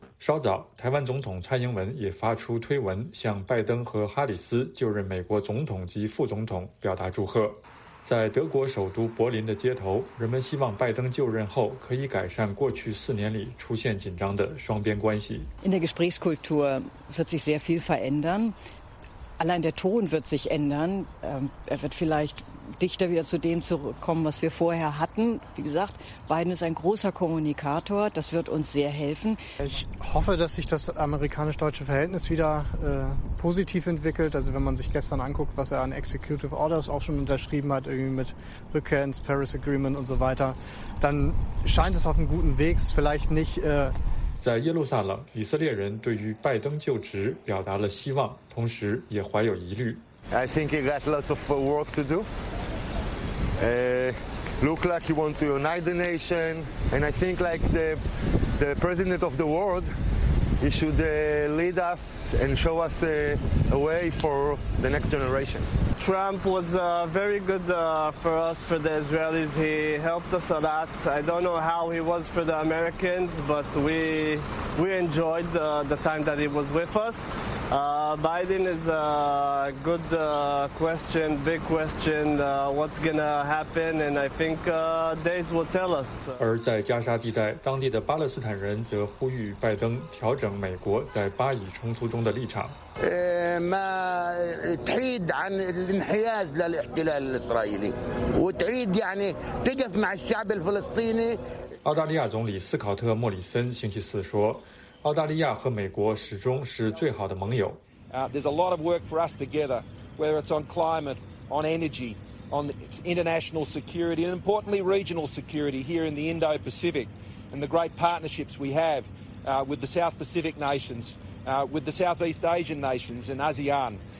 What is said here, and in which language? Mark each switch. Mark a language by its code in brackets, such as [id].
[zh] 稍早，台湾总统蔡英文也发出推文，向拜登和哈里斯就任美国总统及副总统表达祝贺。在德国首都柏林的街头，人们希望拜登就任后可以改善过去四年里出现紧张的双边关系。 [de] In der Gesprächskultur wird sich sehr viel verändern. Allein der Ton wird sich ändern. Er wird vielleicht dichter wieder zu dem zurückkommen, was wir vorher hatten. Wie gesagt, Biden ist ein großer Kommunikator. Das wird uns sehr helfen. Ich hoffe, dass sich das amerikanisch-deutsche Verhältnis wieder positiv entwickelt. Also wenn man sich gestern anguckt, was er an Executive Orders auch schon unterschrieben hat, irgendwie mit Rückkehr ins Paris Agreement und so weiter, dann scheint es auf einem guten Weg. Vielleicht nicht. [zh] 在耶路撒冷，以色列人对于拜登就职表达了希望，同时也怀有疑虑。 [en] I think he got lots of work to do. Look like he wants to unite the nation, and I think like the president of the world, he should lead us and show us a way for the next generation. Trump was very good for us, for the Israelis. He helped us a lot. I don't know how he was for the Americans, but we enjoyed the time that he was with us. Biden is a good question, big question, what's going to happen, and I think days will tell us. [zh] 而在加沙地带，当地的巴勒斯坦人则呼吁拜登调整美国在巴以冲突中的立场。 [ar] ما تعيد عن الانحياز للاحتلال الإسرائيلي وتعيد يعني تقف مع الشعب الفلسطيني [zh] 澳大利亚总理斯考特·莫里森星期四说，澳大利亚和美国始终是最好的盟友。 [en] There's a lot of work for us together, whether it's on climate, on energy, on international security, and importantly regional security here in the Indo-Pacific, and the great partnerships we have with the South Pacific nations, with the Southeast Asian nations and ASEAN.